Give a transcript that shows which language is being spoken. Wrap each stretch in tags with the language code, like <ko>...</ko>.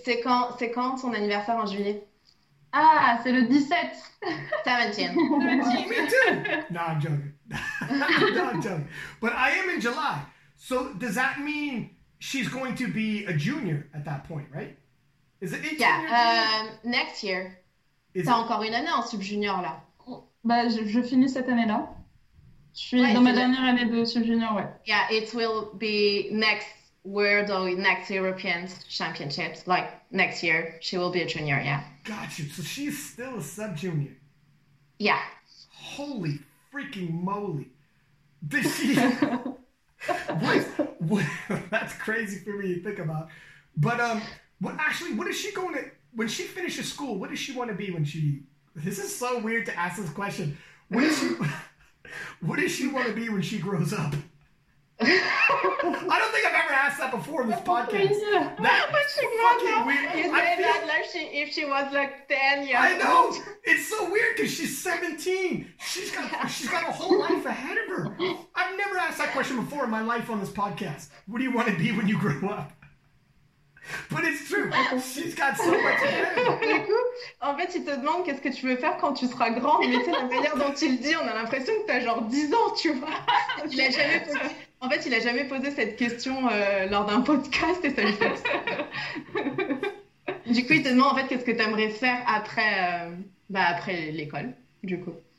<fr>C'est quand son anniversaire en juillet? Ah, c'est le 17. 17.</fr> <en>Me too. No, I'm joking. No, I'm joking. But I am in July. So does that mean she's going to be a junior at that point, right? Is it 18? Yeah, junior? Next year.</en> <fr>T'as encore une année en sub-junior, là. Bah, je finis cette année-là. Je suis dans ma dernière année de sub-junior, ouais.</fr> <en>Yeah, it will be next World or next European Championships. Like, next year, she will be a junior, yeah. Got you. So she's still a sub-junior. Yeah. Holy freaking moly. Did she... what, that's crazy for me to think about. But what is she going to... When she finishes school, what does she want to be when she... This is so weird to ask this question. What does she want to be when she grows up? I don't think I've ever asked that before in this podcast. That's fucking weird. You say that like if she was like 10 years old. I know. It's so weird because she's 17. She's got a whole life ahead of her. I've never asked that question before in my life on this podcast. What do you want to be when you grow up? But it's true. She's got so much ahead.</en> <fr>Du coup, en fait, il te demande qu'est-ce que tu veux faire quand tu seras grand. Mais c'est la manière dont il dit, on a l'impression que t'as genre 10 ans, tu vois. Il a jamais posé. En fait, il a jamais posé cette question lors d'un podcast et ça lui fait. Du coup, il te demande en fait qu'est-ce que t'aimerais faire après, après l'école, du coup.</fr>